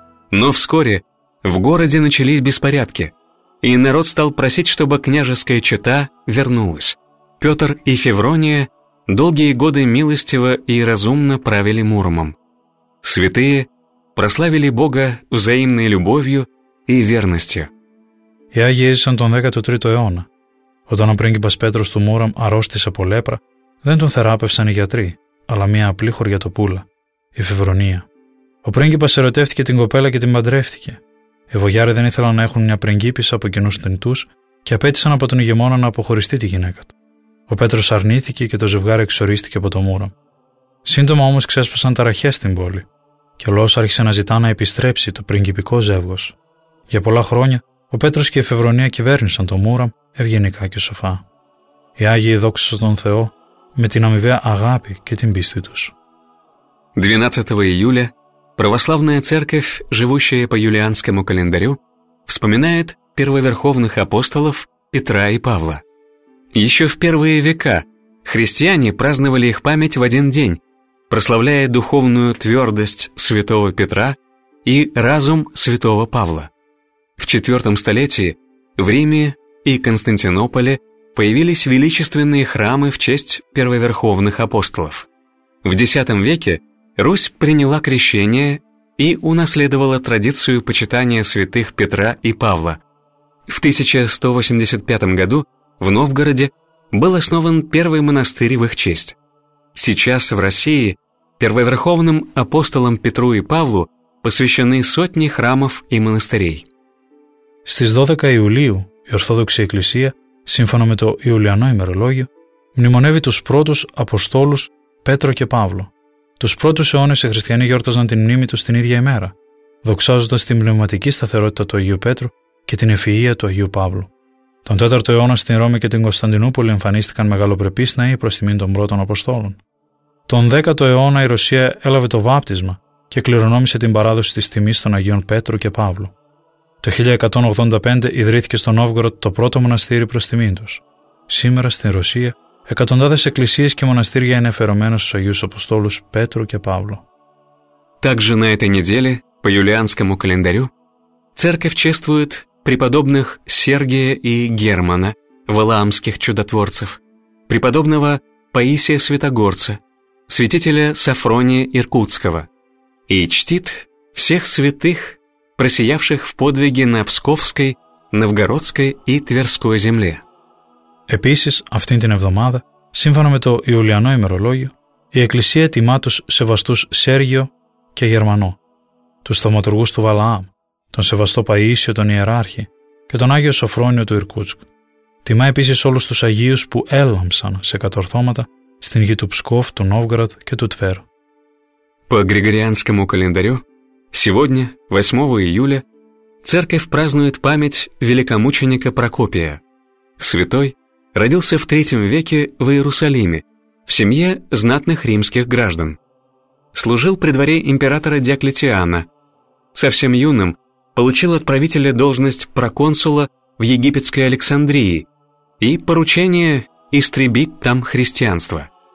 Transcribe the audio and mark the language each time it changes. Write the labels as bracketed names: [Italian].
[Russian] Но вскоре в городе начались беспорядки, и народ стал просить, чтобы княжеская чета вернулась. Петр и Феврония долгие годы милостиво и разумно правили Муромом. Святые прославили Бога взаимной любовью и верностью. [Greek] Οι Άγιοι έζησαν τον 13ο αιώνα. Όταν ο πρίγκιπας Πέτρος του Μούραμ αρρώστησε από λέπρα, δεν τον θεράπευσαν οι γιατροί, αλλά μια απλή χωριατοπούλα, η Φευρονία. Ο πρίγκιπας ερωτεύτηκε την κοπέλα και την παντρεύτηκε. Οι βογιάροι δεν ήθελαν να έχουν μια πριγκίπισσα από κοινούς θνητούς και απέτησαν από τον ηγεμόνα να αποχωριστεί τη γυναίκα του. Ο Πέτρος αρνήθηκε και το ζευγάρι εξορίστηκε από το Μούραμ. Σύντομα όμως ξέσπασαν ταραχές στην πόλη και ο λαός άρχισε να ζητά να επιστρέψει το πριγκιπικό ζεύγος. Για πολλά χρόνια, ο Πέτρος και η Φευρονία κυβέρνησαν το Μούραμ ευγενικά και σοφά. Οι Άγιοι δόξασαν τον Θεό με την αμοιβαία αγάπη και την πίστη τους. [Russian] 12 июля православная церковь, живущая по юлианскому календарю, вспоминает первоверховных апостолов Петра и Павла. Еще в первые века христиане праздновали их память в один день, прославляя духовную твердость святого Петра и разум святого Павла. В IV столетии в Риме и Константинополе появились величественные храмы в честь первоверховных апостолов. В X веке Русь приняла крещение и унаследовала традицию почитания святых Петра и Павла. В 1185 году в Новгороде был основан первый монастырь в их честь. Сейчас в России первоверховным апостолам Петру и Павлу посвящены сотни храмов и монастырей. [Greek] Στις 12 Ιουλίου η Ορθόδοξη Εκκλησία, σύμφωνα με το Ιουλιανό ημερολόγιο, μνημονεύει τους πρώτους Αποστόλους Πέτρο και Παύλο. Τους πρώτους αιώνες οι χριστιανοί γιόρταζαν την μνήμη τους την ίδια ημέρα, δοξάζοντας την πνευματική σταθερότητα του Αγίου Πέτρου και την ευφυΐα του Αγίου Παύλου. Τον 4ο αιώνα στην Ρώμη και την Κωνσταντινούπολη εμφανίστηκαν μεγαλοπρεπείς ναοί προς τιμήν των πρώτων Αποστόλων. Τον 10ο αιώνα η Ρωσία έλαβε το βάπτισμα και κληρονόμησε την παράδοση της τιμής των Αγίων Πέτρου και Παύλου. Το 1185 ιδρύθηκε στο Νόβγορο το πρώτο μοναστήρι προς τιμήν τους. Σήμερα στην Ρωσία, εκατοντάδες εκκλησίες και μοναστήρια είναι αφιερωμένα στους Αγίους Αποστόλους Πέτρο και Παύλο. [Russian] Также на этой неделе, по юлианскому календарю, церковь чествует преподобных Сергия и Германа, валаамских чудотворцев, преподобного Паисия Святогорца, святителя Сафрония Иркутского и чтит всех святых, просиявших в подвиге на Псковской, Новгородской и Тверской земле. [Greek] Επίσης, αυτήν την εβδομάδα, σύμφωνα με το Ιουλιανό ημερολόγιο, η Εκκλησία τιμά τους σεβαστούς Σέργιο και Γερμανό, τους θαυματουργούς του Βαλαάμ, τον σεβαστό Παΐσιο τον Ιεράρχη και τον Άγιο Σοφρόνιο του Ιρκούτσκ. Τιμά επίσης όλους τους Αγίους που έλαμψαν σε κατορθώματα στην γη του Ψκόφ, του Νόβγραδ και του Τβέρ. [Russian] По Григорианскому календарю, сегодня, 8 июля, церковь празднует память великомученика Прокопия. Святой родился в III веке в Иерусалиме, в семье знатных римских граждан. Служил при дворе императора Диоклетиана. Совсем юным получил от правителя должность проконсула в египетской Александрии и поручение истребить там христианство.